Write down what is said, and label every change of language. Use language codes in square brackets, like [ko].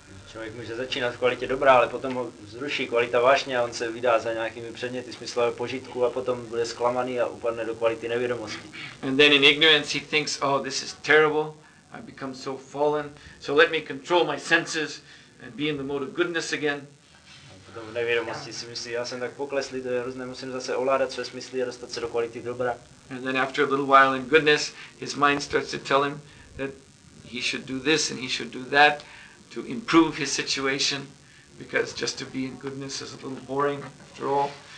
[cs] Člověk může začínat v kvalitě dobrá, ale potom ho zruší kvalita vášně a on se vydá za nějakými předměty smyslového požitku a potom bude zklamaný a upadne do kvality nevědomosti. [en] And then in ignorance he thinks, oh, this is terrible, I become so fallen, so let me control my senses and be in the mode of goodness again. [cs] A potom v nevědomosti si myslí, já jsem tak pokleslý, to je hrozné, musím zase ovládat své smysly a dostat se do kvality dobra. [en] And then after a little while in goodness, his mind starts to tell him that he should do this and he should do that to improve his situation, because just to be in goodness is a little boring after all.